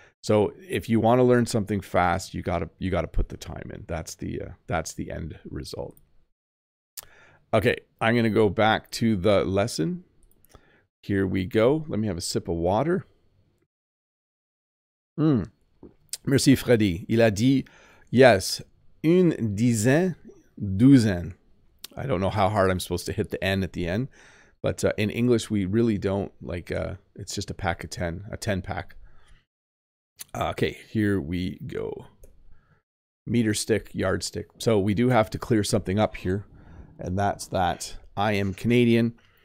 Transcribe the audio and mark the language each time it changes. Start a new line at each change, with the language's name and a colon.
English: So if you want to learn something fast, you got to put the time in. That's the end result. Okay, I'm going to go back to the lesson. Here we go. Let me have a sip of water.
French: Merci, Freddy. Il a dit, yes, une dizaine, douzaine.
English: I don't know how hard I'm supposed to hit the N at the end, but in English, we really don't like, it's just a pack of 10, a 10 pack. Okay, here we go. Meter stick, yardstick. So we do have to clear something up here, and that's that I am Canadian.